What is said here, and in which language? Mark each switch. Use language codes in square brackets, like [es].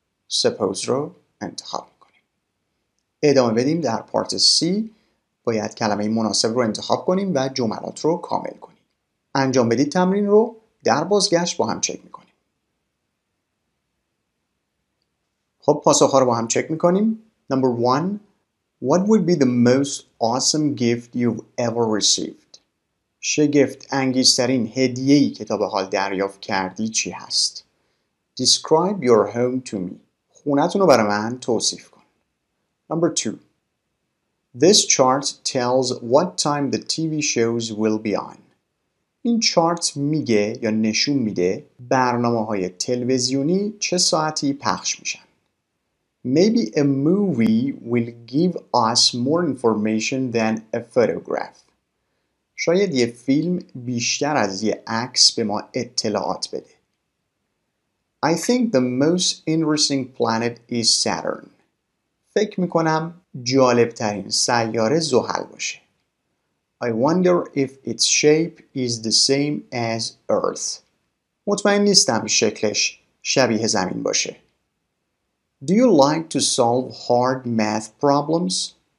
[fa] Suppose رو انتخاب میکنیم ادامه بدیم در پارت C باید کلمه مناسب رو انتخاب کنیم و جملات رو کامل کنیم انجام بدید تمرین رو در بازگشت با هم چک میکنیم خب پاسخ ها رو با هم چک میکنیم [en] Number 1 What would be the most awesome gift you've ever received? [fa] شگفت انگیزترین هدیه‌ای که تا به حال دریافت کردی چی هست؟ [en] Describe your home to me. [fa] خونتون رو برای من توصیف کن. [en] Number 2. This chart tells what time the TV shows will be on. [fa] این چارت میگه یا نشون میده برنامه‌های تلویزیونی چه ساعتی پخش میشن. [en] Maybe a movie will give us more information than a photograph. [fa] شاید یه فیلم بیشتر از یه عکس به ما اطلاعات بده. [en] I think the most interesting planet is Saturn. [fa] فکر میکنم جالبترین سیاره زحل باشه. [en] I wonder if its shape is the same as Earth. [fa] مطمئن نیستم شکلش شبیه زمین باشه. [en] Do you like to solve hard math problems?